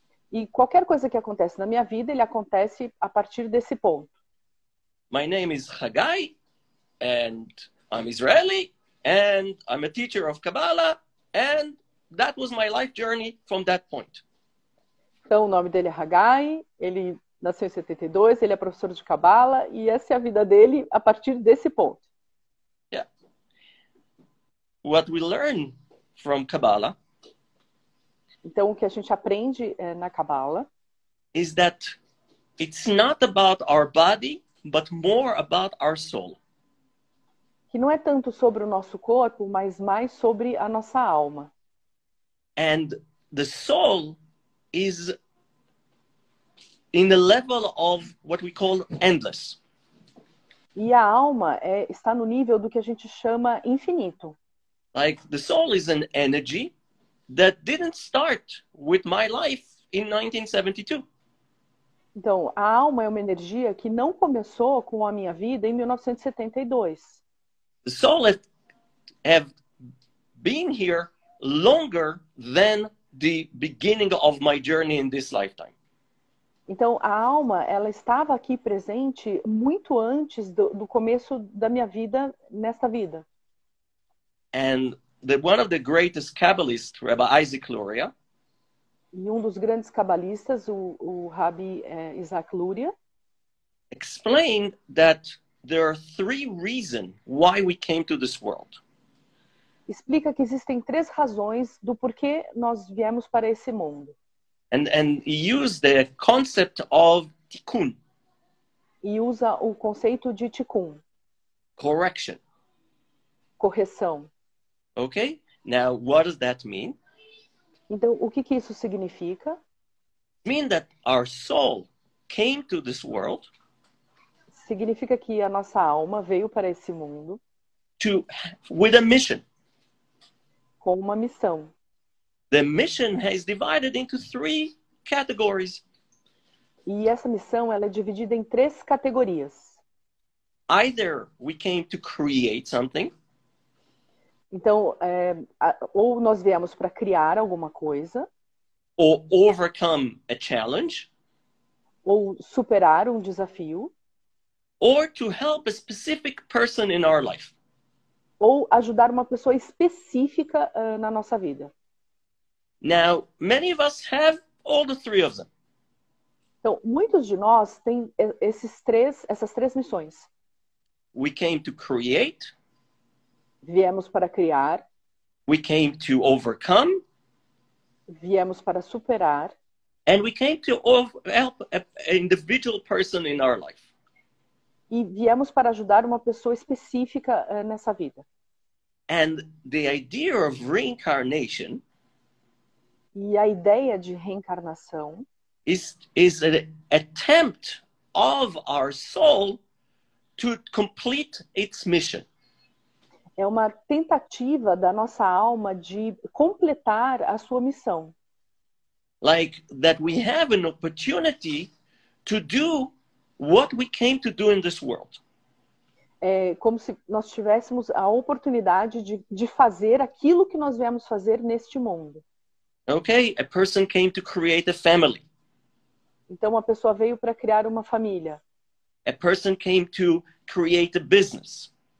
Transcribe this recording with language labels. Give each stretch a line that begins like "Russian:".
Portuguese: E qualquer coisa que acontece na minha vida, ele acontece a partir desse ponto.
English: My name is Haggai, and I'm Israeli, and I'm a teacher of Kabbalah, and that was my life journey from that point.
Portuguese: Então, o nome dele é Haggai, ele nasceu em 72, ele é professor de Kabbalah, e essa é a vida dele a partir desse ponto.
English: Yeah. What we learn from Kabbalah.
Portuguese: Então, o que a gente aprende na Kabbalah
English: is that it's not about our body, but more about our soul.
Portuguese: Que não é tanto sobre o nosso corpo, mas mais sobre a nossa alma.
English: And the soul is in the level of what we call endless.
Portuguese: E a alma está no nível do que a gente chama infinito.
English: Like the soul is an energy that didn't start with my life in 1972.
Portuguese: Então, a alma é uma energia que não começou com a minha vida em 1972.
English: The soul have been here longer than the beginning of my journey in this lifetime.
Portuguese: Então, a alma, ela estava aqui presente muito antes do começo da minha vida nesta vida.
English: And one of the greatest Kabbalists, Rabbi Isaac Luria.
Portuguese: E dos grandes cabalistas, o Rabbi Isaac Luria.
English: Explained that there are three reasons why we came to this world.
Portuguese: Explica que existem três razões do porquê nós viemos para esse mundo.
English: And he used the concept of tikkun.
Portuguese: E usa o conceito de tikkun.
English: Correction.
Portuguese: Correção.
English: Okay, now what does that mean?
Portuguese: Então, o que isso significa?
English: It means that our soul came to this world.
Portuguese: Significa que a nossa alma veio para esse mundo.
English: With a mission.
Portuguese: Com uma missão.
English: The mission is divided into three categories.
Portuguese: E essa missão ela é dividida em três categorias.
English: Either we came to create something.
Portuguese: Então, ou nós viemos para criar alguma coisa.
English: Or overcome a challenge.
Portuguese: Ou superar um desafio.
English: Or to help a specific person in our life.
Portuguese: Ou ajudar uma pessoa específica na nossa vida.
English: Now, many of us have all the three of them.
Portuguese: Então, muitos de nós têm essas três missões.
English: We came to create.
Portuguese: Viemos para criar.
English: We came to overcome.
Portuguese: Viemos para superar.
English: And we came to help an individual person in our life.
Portuguese: E viemos para ajudar uma pessoa específica nessa vida.
English: And the idea of reincarnation.
Portuguese: E a ideia de reencarnação.
English: Is an attempt of our soul to complete its mission.
Portuguese: É uma tentativa da nossa alma de completar a sua missão.
English: Like that we have an opportunity to do what we came to do in this world.
Portuguese: É como se nós tivéssemos a oportunidade de fazer aquilo que nós viemos fazer neste mundo.
English: Okay, a person came to create a family.
Portuguese: Então uma pessoa veio para criar uma família.
English: A person came to create a business.